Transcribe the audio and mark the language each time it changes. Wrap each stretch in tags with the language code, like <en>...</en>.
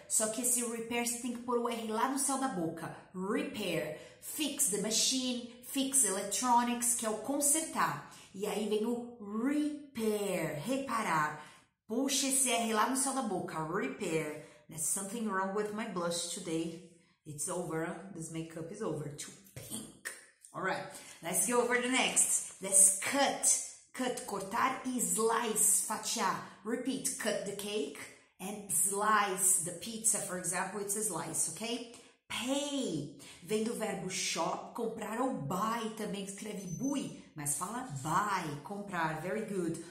<pt>Só que esse repair você tem que pôr o R lá no céu da boca.</pt> <en>Repair, fix the machine, fix electronics,</en> <pt>que é o consertar. E aí vem o repair, reparar. Puxa esse R lá no céu da boca, repair.</pt> <en>There's something wrong with my blush today. It's over, this makeup is over, too pink. Alright, let's go over the next. Let's cut. Cut,</en> <pt>cortar e</pt> <en>slice, fatiar. Repeat, cut the cake and slice the pizza, for example, it's a slice, ok?</en> <pt>Pay, vem do verbo shop, comprar ou buy, também escreve bui, mas fala buy, comprar,</pt> <en>very good.</en>